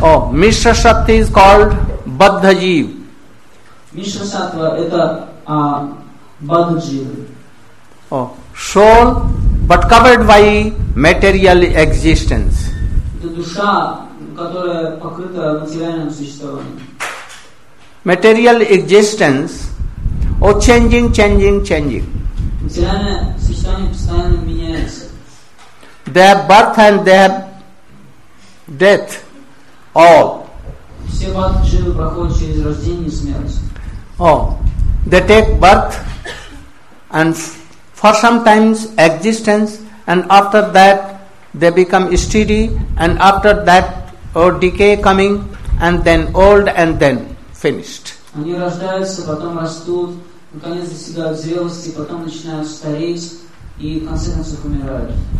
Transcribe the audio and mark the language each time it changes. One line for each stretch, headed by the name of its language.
English: Mishra sattva is called baddha jiv.
Russian: Mishra sattva – это baddha jiv.
English: Soul, but covered by material existence.
Russian: Это душа, которая покрыта материальным существованием.
English: Material existence, changing.
Russian: Материальное существование постоянно меняется.
English: They have birth and they have death, all.
Russian: Все баддхи дживы проходят через рождение и смерть.
English: They take birth and for some times existence, and after that they become steady, and after that decay coming, and then old, and then finished.
Russian: Они рождаются, потом растут, наконец достигают зрелости, потом начинают стареть и в конце концов умирают.